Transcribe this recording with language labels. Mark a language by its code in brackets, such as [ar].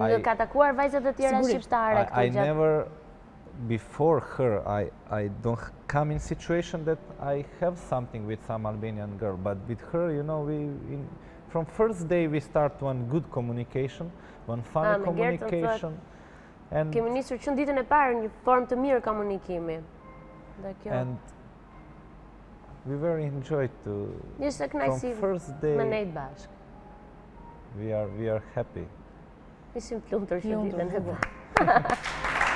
[sq] I ka takuar vajzat e tjera shqiptare këtu [en] gjatë. I never before her I don't come in situation that I have something with some Albanian girl, but with her, you know, from first day we start one good communication, one fun communication. [sq] And kemi nisur që ditën e parë një formë të mirë komunikimi. Dhe kjo. [en] And we very enjoyed to [sq] ishte kënaqësi [en] from first day. [sq] Me nejt bashk. [en] We are happy. [sq] Ishim të lumtur që ditën e parë.